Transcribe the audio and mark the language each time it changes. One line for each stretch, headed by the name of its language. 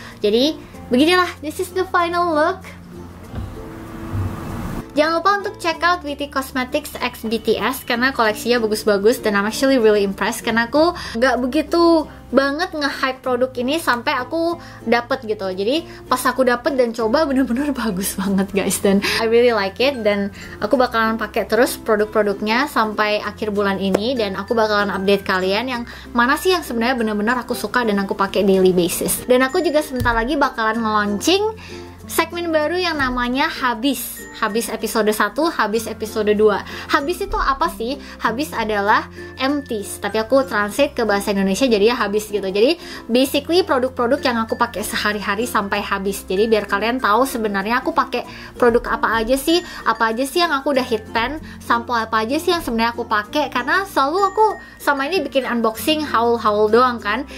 Indonesian: Jadi beginilah,
English: this is the final look.
Indonesian: Jangan lupa untuk check out Witty Cosmetics x BTS karena koleksinya bagus-bagus dan
English: I'm actually really impressed
Indonesian: karena aku gak begitu banget nge-hype produk ini sampai aku dapet gitu. Jadi pas aku dapet dan coba benar-benar bagus banget guys dan
English: I really like it
Indonesian: dan aku bakalan pakai terus produk-produknya sampai akhir bulan ini dan aku bakalan update kalian yang mana sih yang sebenarnya benar-benar aku suka dan aku pakai daily basis. Dan aku juga sebentar lagi bakalan nge-launching segmen baru yang namanya Habis. Habis episode 1, Habis episode 2. Habis itu apa sih? Habis adalah empties, tapi aku translate ke bahasa Indonesia jadi ya habis gitu. Jadi basically produk-produk yang aku pakai sehari-hari sampai habis. Jadi biar kalian tahu sebenarnya aku pakai produk apa aja sih, apa aja sih yang aku udah hit pan, sampo apa aja sih yang sebenarnya aku pakai, karena selalu aku sama ini bikin unboxing haul-haul doang kan.